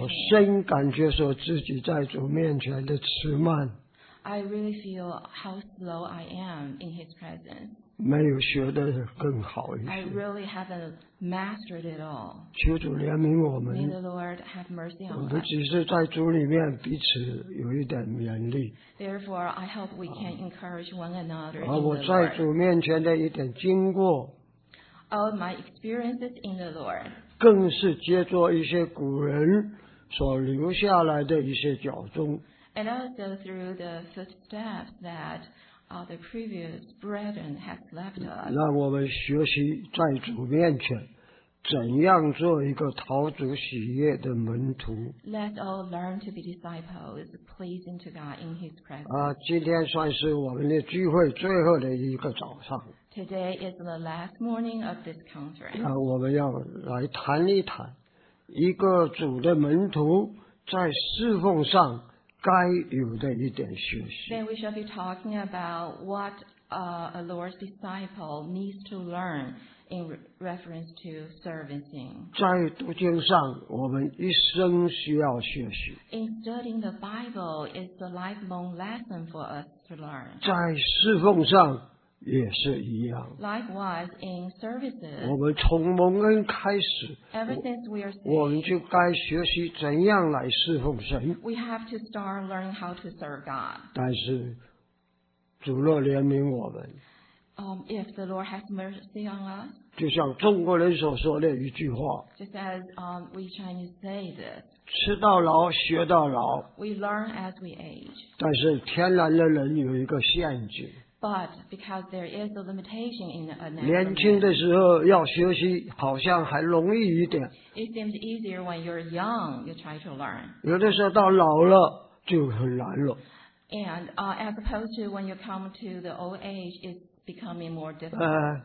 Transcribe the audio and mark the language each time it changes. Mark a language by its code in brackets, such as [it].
[zh] 我深感觉说自己在主面前的迟慢。 [en] I really feel how slow I am in His presence. [zh] 没有学得更好一些。 [en] I really haven't. Mastered it all. [zh] 求主怜悯我们。 [en] May the Lord have mercy on us. [zh] 我们只是在主里面彼此有一点勉励。 [en] Therefore, I hope we can encourage one another. [zh] 而我在主面前的一点经过。 [en] All my experiences in the Lord. [zh] 更是借着一些古人所留下来的一些脚踪。 [en] And also through the footsteps that. The previous brethren has left us. [zh] 让我们学习在主面前怎样做一个讨主喜悦的门徒。 [en] Let all learn to be disciples, pleasing to God in His presence. [zh] 今天算是我们的聚会最后的一个早上。 [en] Today is the last morning of this conference. [zh] 那我们要来谈一谈一个主的门徒在侍奉上。该有的一点学习。 [en] Then we shall be talking about what a Lord's disciple needs to learn in reference to servicing. [zh] 在读经上，我们一生需要学习。 [en] In studying the Bible is a lifelong lesson for us to learn. [zh] 在侍奉上也是一样。 [en] Likewise in services. [zh] 我们从蒙恩开始 [en] Ever since we are saved, [zh] 我们就该学习怎样来侍奉神。 [en] We have to start learning how to serve God. [zh] 但是主若怜悯我们 [en] If the Lord has mercy on us, [zh] 就像中国人所说的一句话 [en] Just as we Chinese say this, [zh] 吃到老学到老 [en] We learn as we age. [zh] 但是天然的人有一个限制。 [en] But because there is a limitation in a natural man, [zh] 年轻的时候要学习好像还容易一点。 [en] It seems easier when you're young, you try to learn. [zh] 有的时候到老了就很难了。 [en] And as opposed to when you come to the old age, it's becoming more difficult.